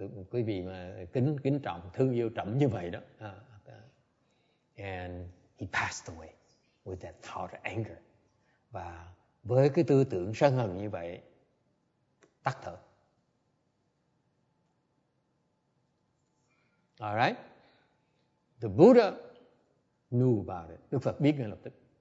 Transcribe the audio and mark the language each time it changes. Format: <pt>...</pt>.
<vi>Quý vị mà kính trọng thương yêu trẫm như vậy đó.</vi> <en>And he passed away with that thought of anger.</en> <vi>Và với cái tư tưởng sân hận như vậy, tắt thở.</vi> <en>All right. The Buddha knew about it.</en> <vi>Đức Phật biết ngay lập tức.</vi>